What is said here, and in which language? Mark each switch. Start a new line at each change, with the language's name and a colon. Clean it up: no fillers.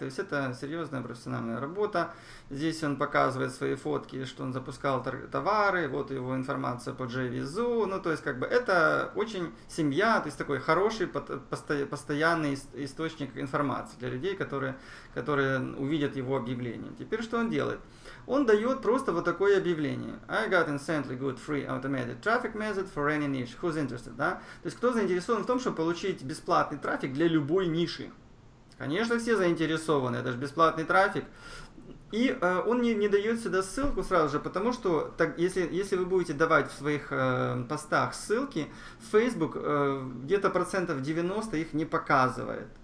Russian: То есть это серьезная профессиональная работа. Здесь он показывает свои фотки, что он запускал товары, вот его информация по JVZoo. Ну, то есть как бы это очень семья, то есть такой хороший постоянный источник информации для людей, которые увидят его объявление. Теперь что он делает? Он дает просто вот такое объявление.
English: I got insanely good free automated traffic method for any niche. Who's interested?
Russian: Да? То есть кто заинтересован в том, чтобы получить бесплатный трафик для любой ниши? Конечно, все заинтересованы. Это же бесплатный трафик. И он не дает сюда ссылку сразу же, потому что так, если вы будете давать в своих постах ссылки, Facebook где-то процентов 90 их не показывает.